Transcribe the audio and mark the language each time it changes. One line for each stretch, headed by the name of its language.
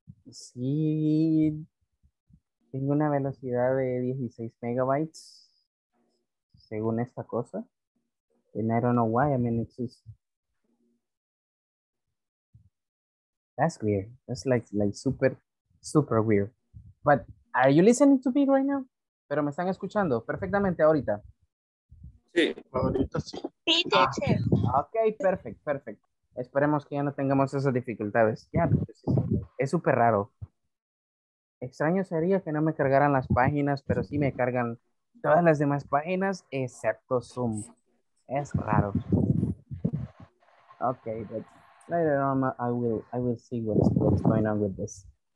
Spanish: Sí, tengo una velocidad de 16 megabytes, según esta cosa.
English: And I don't know why, I mean, it's just... That's weird. That's like super, super weird. But are you listening to me right now?
Spanish: Pero me están escuchando perfectamente ahorita. Sí, ahorita sí. Sí, teacher.
English: Ok, perfect.
Spanish: Esperemos que ya no tengamos esas dificultades. Ya, es súper raro. Extraño sería que no me cargaran las páginas, pero sí me cargan todas las demás páginas, excepto Zoom. Es raro.
English: Ok, but later on I will see what's going on with this.